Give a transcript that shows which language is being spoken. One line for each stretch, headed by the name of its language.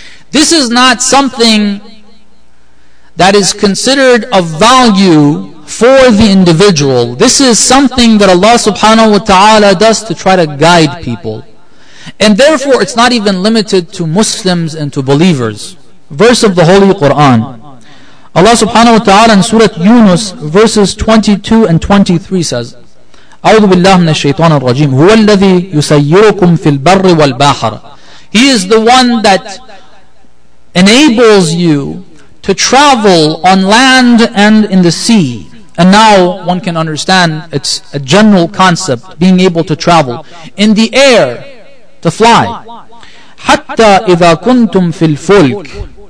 English: This is not something that is considered of value for the individual. This is something that Allah subhanahu wa ta'ala does to try to guide people. And therefore, it's not even limited to Muslims and to believers. Verse of the Holy Quran. Allah subhanahu wa ta'ala in Surah Yunus, verses 22 and 23 says,
Arabic: أعوذ بالله من الشيطان الرجيم هو الذي يسيركم في البر والبحر.
English: He is the one that enables you to travel on land and in the sea. And now one can understand it's a general concept, being able to travel in the air, to fly.
Arabic: حتى إذا كنتم في الفلك.